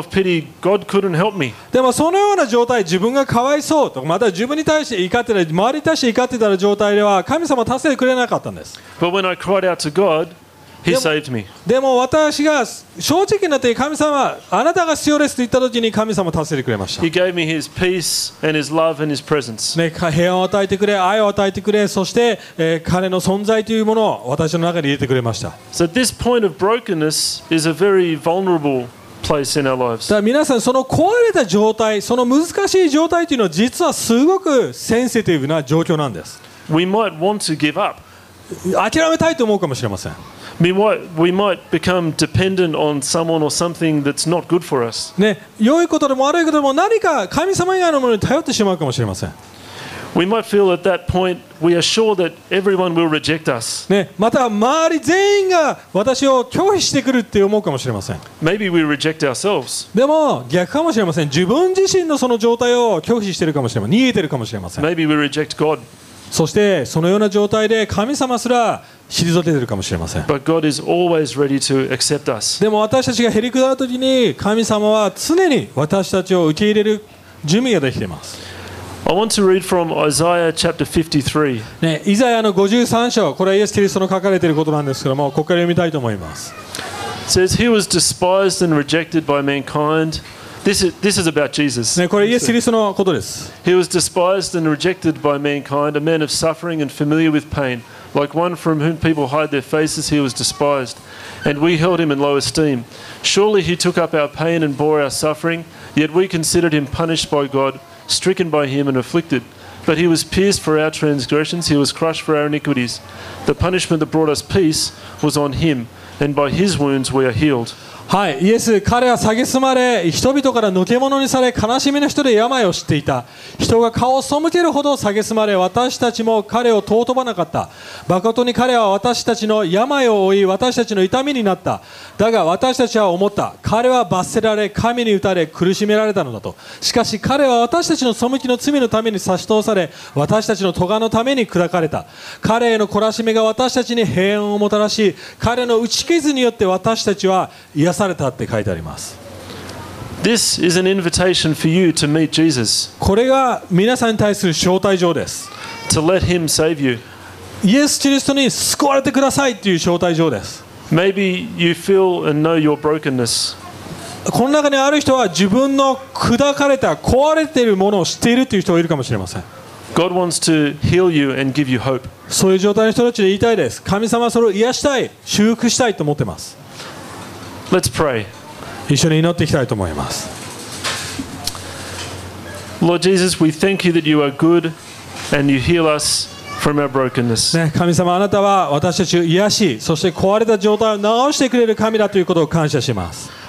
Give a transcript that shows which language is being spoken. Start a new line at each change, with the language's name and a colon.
Japanese: でもそのような状態、自分がかわいそうとか、また自分に対して怒ってたり、周りに対して怒ってた状態では神様は助けてくれなかったんです。
English: But when I cried out to God, he saved me.
Japanese: でも私が正直になって神様、あなたが必要ですと言った時に神様は助けてくれました。
English: He gave me his peace and his love and his presence.、
Japanese: ね、平安を与えてくれ、愛を与えてくれ、そして、彼の存在というものを私の中に入れてくれました。
English: So this point of brokenness is a very vulnerable place in our lives.
Japanese: だから皆さん、その壊れた状態、その難しい状態というのは実はすごくセンシティブな状況なんです。
English: We might want to give up.
Japanese: 諦めたいと思うかもしれません。
English: We might become dependent on someone or something that's not good for us.
Japanese: ね、良いことでも悪いことでも何か神様以外のものに頼ってしまうかもしれません。
English: We might feel at that point we are sure that everyone will reject us.
Japanese: ね、また周り全員が私を拒否してくるって思うかもしれません。
English: Maybe we reject ourselves.
Japanese: でも逆かもしれません。自分自身のその状態を拒否してるかもしれません。逃げてるかもしれません。
English: Maybe we reject God.
Japanese: そしてそのような状態で神様すら退けているかもしれません。
English: But God is always ready to accept us.
Japanese: でも私たちがへりくだるときに神様は常に私たちを受け入れる準備ができています。
English: I want to read from Isaiah chapter 53.
Japanese: ね、イザヤの53章、これはイエス・キリストの書かれていることなんですけども、ここから読みたいと思います。
English: It says he was despised and rejected by mankindThis is about Jesus.
Japanese: ね、これイエス・キリストのことです。
English: He was despised and rejected by mankind, a man of suffering and familiar with pain. Like one from whom people hide their faces, he was despised. And we held him in low esteem. Surely he took up our pain and bore our suffering, yet we considered him punished by God, stricken by him and afflicted. But he was pierced for our transgressions, he was crushed for our iniquities. The punishment that brought us peace was on him, and by his wounds we are healed.
Japanese: はい、イエス、彼は蔑まれ、人々からのけ者にされ、悲しみの人で病を知っていた。人が顔を背けるほど蔑まれ、私たちも彼を尊ばなかった。まことに彼は私たちの病を負い、私たちの痛みになった。だが私たちは思った、彼は罰せられ、神に打たれ、苦しめられたのだと。しかし彼は私たちの背きの罪のために差し通され、私たちの咎のために砕かれた。彼への懲らしめが私たちに平安をもたらし、彼の打ち傷によって私たちは癒されたって書いてあります。
English: This is an invitation for you to meet Jesus.
Japanese: これが皆さんに対する招待状です。
English: To let him save you.
Japanese: イエス・キリストに救われてくださいっていう招待状です。
English: Maybe you feel and know your brokenness.
Japanese: この中にある人は自分の砕かれた、壊れているものを知っているという人がいるかもしれません。
English: God wants to heal you and give you hope.
Japanese: そういう状態の人たちに言いたいです。神様はそれを癒したい、祝福したいと思ってます。
English: Let's pray.
Japanese: 一緒に祈っていきたいと思います。
English: Lord Jesus, we thank you that you are good and you heal us from our brokenness.、
Japanese: ね、神様、あなたは私たちを癒し、そして壊れた状態を直してくれる神だということを感謝します。